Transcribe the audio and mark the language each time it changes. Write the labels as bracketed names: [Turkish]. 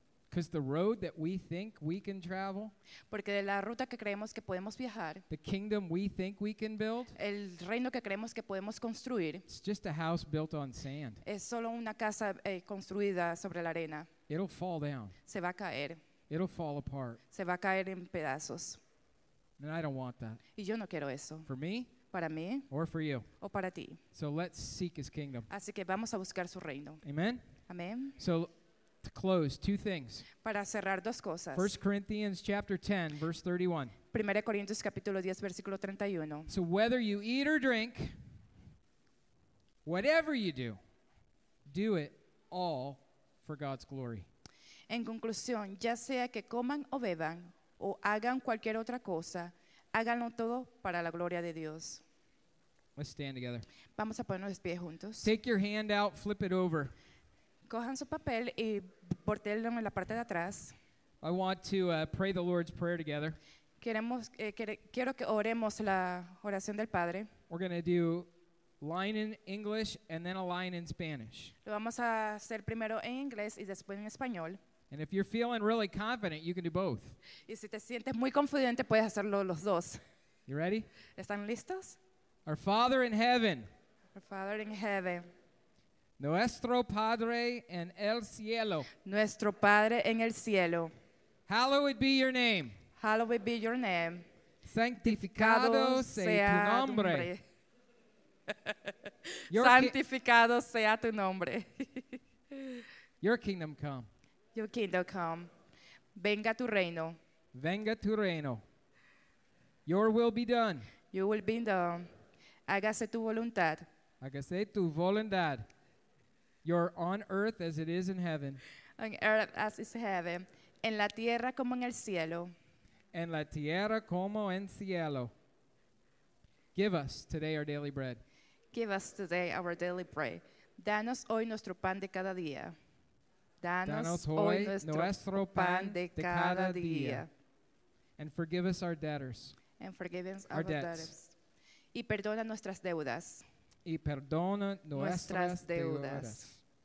[English] Because the road that we think we can travel. [Spanish] Porque de la ruta que creemos que podemos viajar. [English] The kingdom we think we can build. [Spanish] El reino que creemos que podemos construir. [English] It's just a house built on sand. [Spanish] Es solo una casa construida sobre la arena. [English] It'll fall down. [Spanish] Se va a caer. [English] It'll fall apart. [Spanish] Se va a caer en pedazos. [English] And I don't want that. [Spanish] Y yo no quiero eso. [English] For me. [Spanish] Para mí. [English] Or for you. [Spanish] O para ti. [English] So let's seek his kingdom. [Spanish] Así que vamos a buscar su reino. [English] Amen. [Spanish] Amen. [English] So to close, two things. [Spanish] Para cerrar dos cosas. [English] 1 Corinthians chapter 10, verse 31. [Spanish] Primera Corintios capítulo 10, versículo 31. [English] So whether you eat or drink, whatever you do, do it all for God's glory. [Spanish] En conclusión, ya sea que coman o beban, o hagan cualquier otra cosa, háganlo todo para la gloria de Dios. [English] Let's stand together. [Spanish] Vamos a ponernos pie juntos. [English] Take your hand out, flip it over. [Spanish] Cojan su papel y portéenlo en la parte de atrás. [English] I want to pray the Lord's Prayer together. [Spanish] Quiero que oremos la oración del Padre. [English] We're going to do line in English and then a line in Spanish. [Spanish] Lo vamos a hacer primero en inglés y después en español. [English] And if you're feeling really confident, you can do both. [Spanish] Y si te sientes muy confidente, puedes hacerlo los dos. [English] You ready? [Spanish] ¿Están listos? [English] Our Father in heaven. Our Father in heaven. [Spanish] Nuestro Padre en el cielo. Nuestro Padre en el cielo. [English] Hallowed be your name. Hallowed be your name. [Spanish] Santificado sea tu nombre. Santificado sea tu nombre. [English] Your kingdom come. Your kingdom come. [Spanish] Venga tu reino. Venga tu reino. [English] Your will be done. Your will be done. [Spanish] Hágase tu voluntad. Hágase tu voluntad. [English] You're on earth as it is in heaven. On earth as it is in heaven. [Spanish] En la tierra como en el cielo. En la tierra como en cielo. [English] Give us today our daily bread. Give us today our daily bread. [Spanish] Danos hoy nuestro pan de cada día. Danos hoy nuestro pan de cada día. [English] And forgive us our debtors. And forgive us our debtors. [Spanish] Y perdona nuestras deudas. Y perdona nuestras deudas.